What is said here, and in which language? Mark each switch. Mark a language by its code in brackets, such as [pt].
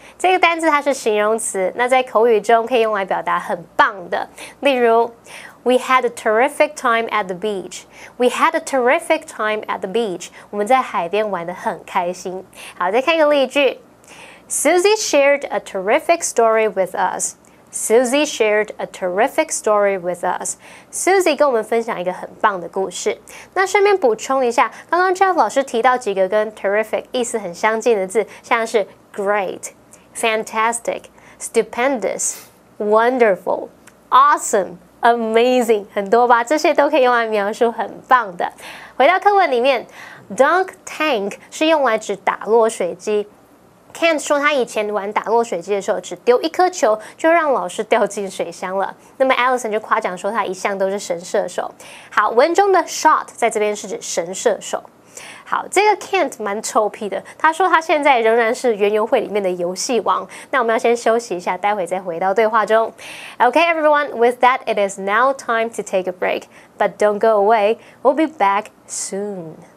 [zh] 这个单字它是形容词，那在口语中可以用来表达很棒的。例如 [en] ,We had a terrific time at the beach. We had a terrific time at the beach. [zh] 我们在海边玩得很开心。好，再看一个例句。 [en] Susie shared a terrific story with us. Susie shared a terrific story with us. Susie [zh] 跟我们分享一个很棒的故事。那顺便补充一下，刚刚 Jeff 老师提到几个跟 terrific 意思很相近的字，像是Great, fantastic, stupendous, wonderful, awesome, amazing, 很多吧，这些都可以用来描述很棒的。回到课文里面 ,dunk tank 是用来指打落水机。 Kent 说他以前玩打落水机的时候只丢一颗球就让老师掉进水箱了。那么 Allison 就夸奖说他一向都是神射手。好，文中的 shot 在这边是指神射手。好，这个 Kent 蛮臭屁的，他说他现在仍然是园游会里面的游戏王。那我们要先休息一下，待会再回到对话中。 [en] Okay everyone, with that it is now time to take a break. But don't go away, we'll be back soon.